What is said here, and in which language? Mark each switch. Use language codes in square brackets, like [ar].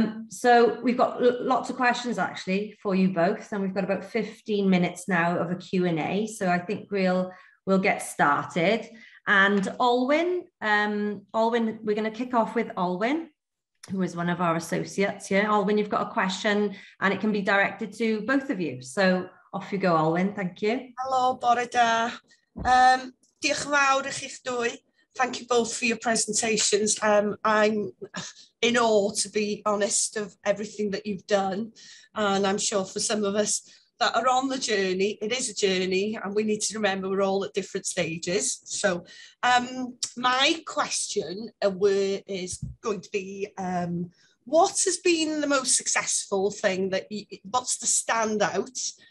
[en] So we've got lots of questions actually for you both, and we've got about 15 minutes now of a Q&A, so I think we'll get started. And Alwyn, we're gonna kick off with Alwyn, who is one of our associates here. Alwyn, you've got a question and it can be directed to both of you. So off you go, Alwyn. Thank you. Hello, [cy] bore da. Diolch yn fawr I chi'ch dwy. [en] Thank you both for your presentations. I'm in awe, to be honest, of everything that you've done. And I'm sure for some of us that are on the journey, it is a journey, and we need to remember we're all at different stages. So my question is going to be, what has been the most successful thing, what's the standout